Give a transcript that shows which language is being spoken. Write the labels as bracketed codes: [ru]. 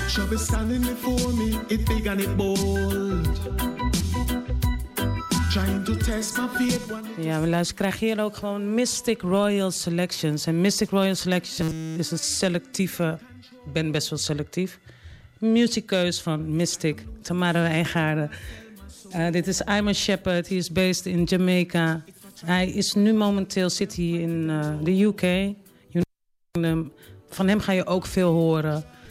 [en] Be standing before me, it big and it bold. Trying to test my faith. [nl] Ja, we luisteren, krijg hier ook gewoon Mystic Royal Selections. En Mystic Royal Selections is een selectieve, ik ben best wel selectief, muziekkeus van Mystic, Tamara Eijgaarden. Dit is [en] I'm A Shepherd, he is based in Jamaica. [nl] Hij is nu momenteel, zit hier in de UK. Van hem ga je ook veel horen.